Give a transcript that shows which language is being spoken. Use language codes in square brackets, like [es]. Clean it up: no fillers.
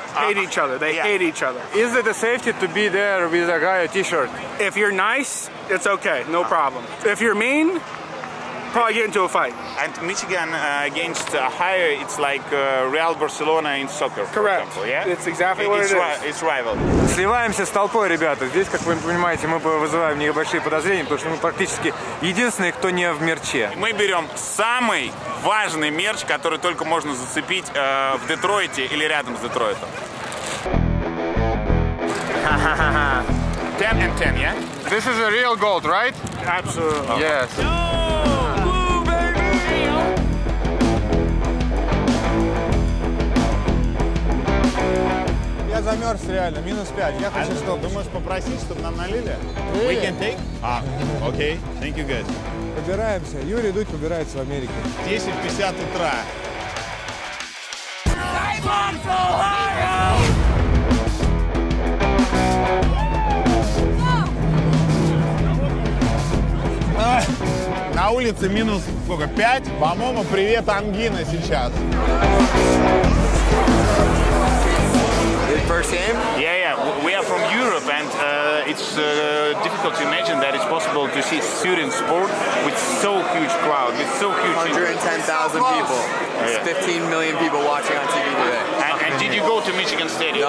[en] Hate each other. They hate each other. Is it a safety to be there with a guy a t-shirt? If you're nice, it's okay. No problem. If you're mean, probably get into a fight. And Michigan against Ohio, it's like Real Barcelona in soccer. Correct. For example, yeah? It's exactly what it's rival. [ru] Сливаемся с толпой, ребята. Здесь, как вы понимаете, мы вызываем небольшие подозрения, потому что мы практически единственные, кто не в мерче. Мы берем самый важный мерч, который только можно зацепить в Детройте или рядом с Детройтом. [en] Ten and ten, yeah? This is a real gold, right? Absolutely. Yes. [ru] Я замерз реально, -5. Я хочу что? Думаешь попросить, чтобы нам налили? [en] We can take? Okay. Thank you, guys. [ru] Убираемся. Юрий Дудь убирается в Америке. 10:50 утра. На улице -5. По-моему, привет, ангина сейчас. [en] First game? Yeah. We are from Europe, and it's difficult to imagine that it's possible to see student sport with so huge crowd, with so huge. 110,000 people. It's 15 million people watching on TV today. And did you go to Michigan Stadium?